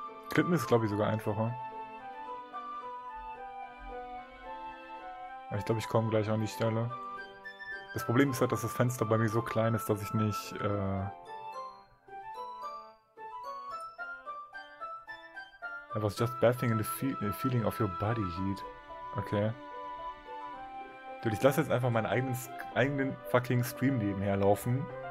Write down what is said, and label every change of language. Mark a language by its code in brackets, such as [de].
[de] Klippen ist, glaube ich, sogar einfacher. Ich glaube, ich komme gleich an die Stelle. Das Problem ist halt, dass das Fenster bei mir so klein ist, dass ich nicht. [en] I was just bathing in the feeling of your body heat. Okay. [de] Dude, ich lasse jetzt einfach meinen eigenen fucking Stream nebenher laufen.